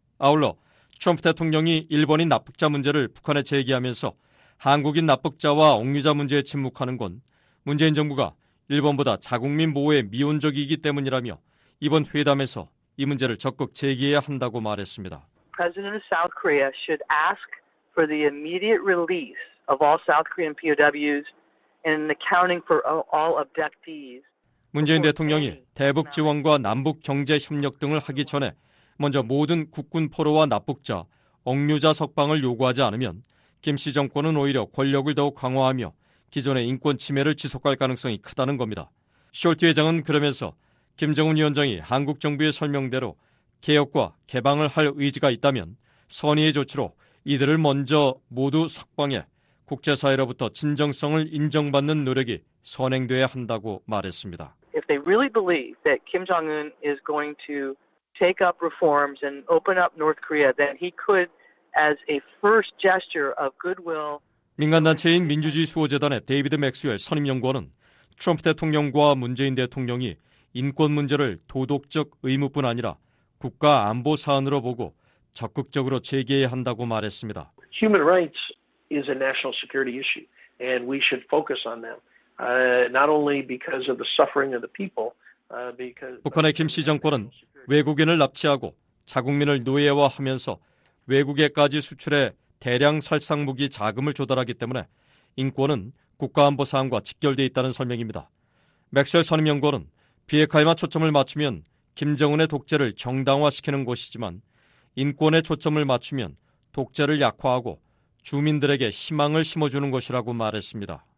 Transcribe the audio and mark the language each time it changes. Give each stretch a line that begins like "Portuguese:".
Korean: 아울러 트럼프 대통령이 일본인 납북자 문제를 북한에 제기하면서 한국인 납북자와 억류자 문제에 침묵하는 건 문재인 정부가 일본보다 자국민 보호에 미온적이기 때문이라며 이번 회담에서 이 문제를 적극 제기해야 한다고 말했습니다.
English: President of South Korea should ask for the immediate release of all South Korean POWs and accounting for all abductees.
Korean: 문재인 대통령이 대북 지원과 남북 경제 협력 등을 하기 전에 먼저 모든 국군 포로와 납북자, 억류자 석방을 요구하지 않으면 김 씨 정권은 오히려 권력을 더욱 강화하며 기존의 인권 침해를 지속할 가능성이 크다는 겁니다. 숄트 회장은 그러면서 김정은 위원장이 한국 정부의 설명대로 개혁과 개방을 할 의지가 있다면 선의의 조치로 이들을 먼저 모두 석방해 국제사회로부터 진정성을 인정받는 노력이 선행돼야 한다고 말했습니다.
English: If they really believe that Kim Jong-un is going to take up reforms and open up North Korea, then he could, as a first gesture of goodwill.
Korean: 민간단체인 민주주의 수호재단의 데이비드 맥스웰 선임연구원은 트럼프 대통령과 문재인 대통령이 인권 문제를 도덕적 의무뿐 아니라 국가 안보 사안으로 보고 적극적으로 제기해야 한다고 말했습니다.
English: Human rights is a national security issue, and we should focus on them. Not only because of the suffering of the people, because
Korean: 북한의 김 씨 정권은 외국인을 납치하고 자국민을 노예화하면서 외국에까지 수출해 대량 살상무기 자금을 조달하기 때문에 인권은 국가안보 사항과 직결돼 있다는 설명입니다. 맥스웰 선임연구원은 비핵화에만 초점을 맞추면 김정은의 독재를 정당화시키는 것이지만 인권에 초점을 맞추면 독재를 약화하고 주민들에게 희망을 심어주는 것이라고 말했습니다.